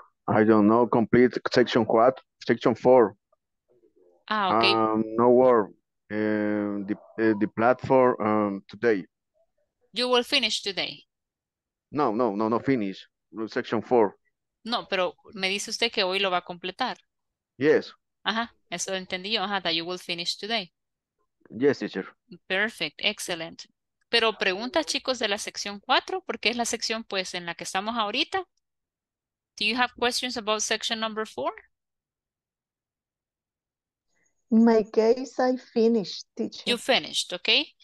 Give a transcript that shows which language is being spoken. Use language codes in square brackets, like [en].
[en] I don't know. Complete section 4. Section 4. Ah, okay. No worry. The platform today. You will finish today. No finish. Section 4. [es] No, pero me dice usted que hoy lo va a completar. [en] Yes. [es] Ajá, eso entendí yo. [en] Ajá, that you will finish today. Yes, teacher. Perfect, excellent. [es] Pero pregunta, chicos, de la sección 4, porque es la sección, pues, en la que estamos ahorita. [en] Do you have questions about section number 4? In my case, I finished, teacher. You finished, okay?